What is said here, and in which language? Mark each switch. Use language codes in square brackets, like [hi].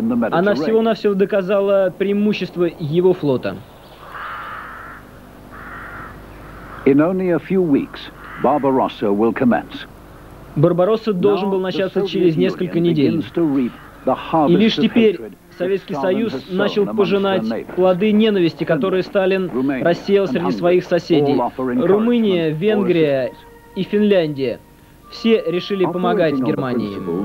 [ru] Она всего-навсего доказала преимущество его флота. [en] In only a few weeks, Barbarossa will commence. [ru] Барбаросса должен был начаться через несколько недель. И лишь теперь Советский Союз начал пожинать плоды ненависти, которые Сталин рассеял среди своих соседей. Румыния, Венгрия и Финляндия все решили помогать Германии.